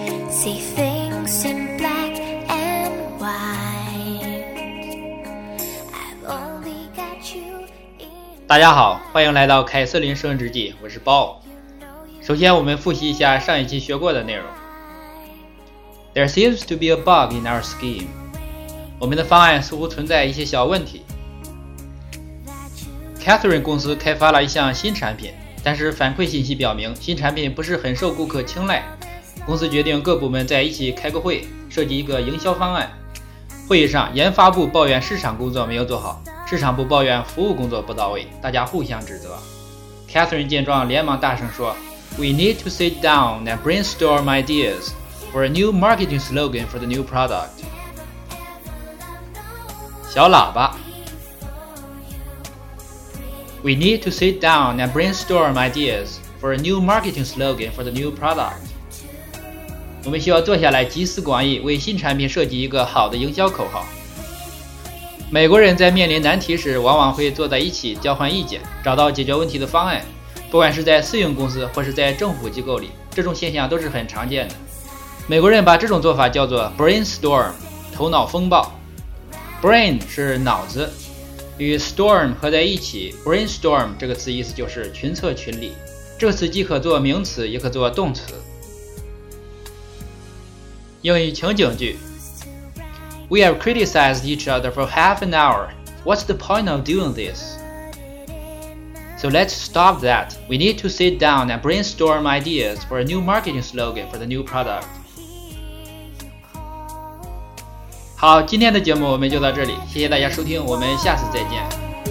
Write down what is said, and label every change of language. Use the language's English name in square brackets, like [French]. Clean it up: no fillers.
[English] see things in black and white. I've only got you in. [Chinese] 大家好，欢迎来到凯瑟琳升职记，我是鲍。首先我们复习一下上一期学过的内容。 [English] There seems to be a bug in our scheme. [Chinese] 我们的方案似乎存在一些小问题。 Catherine 公司开发了一项新产品，但是反馈信息表明新产品不是很受顾客青睐。公司决定各部门在一起开个会，设计一个营销方案。会议上，研发部抱怨市场工作没有做好，市场部抱怨服务工作不到位，大家互相指责。 [English] Catherine [Chinese] 见状连忙大声说， [English] We need to sit down and brainstorm ideas for a new marketing slogan for the new product. [Chinese] 小喇叭。 [English] We need to sit down and brainstorm ideas for a new marketing slogan for the new product. [Chinese] 我们需要坐下来集思广益，为新产品设计一个好的营销口号。美国人在面临难题时，往往会坐在一起交换意见，找到解决问题的方案。不管是在私营公司或是在政府机构里，这种现象都是很常见的。美国人把这种做法叫做 brainstorm， 头脑风暴。 Brain 是脑子。与 storm 合在一起， brainstorm 这个词意思就是群策群力。这个词既可做名词也可做动词。英语情景句， [English] We have criticized each other for half an hour. What's the point of doing this? So let's stop that. We need to sit down and brainstorm ideas for a new marketing slogan for the new product. [Chinese] 好，今天的节目我们就到这里，谢谢大家收听，我们下次再见。